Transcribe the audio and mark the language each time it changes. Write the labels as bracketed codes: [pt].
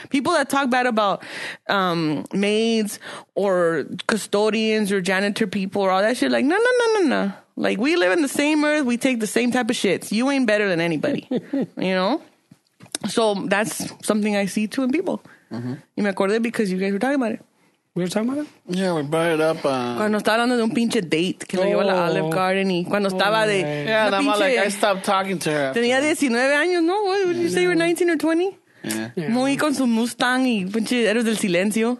[en] People that talk bad about maids or custodians or janitor people or all that shit, like, no. Like, we live in the same earth, we take the same type of shits. You ain't better than anybody, you know? So that's something I see too in people. Mm-hmm. [es] Y me acordé [en] because you guys were talking about it. We were talking about it? Yeah, we brought it up. [es] Cuando estaba hablando de un pinche date que lo llevó a la Olive Garden y cuando estaba de... [en] Yeah, and I'm like, I stopped talking to her. [es] Tenía 19 años, ¿no? [en] What, would you say you were 19 or 20? Yeah. [es] Muy con su Mustang y pinche Héroes del Silencio.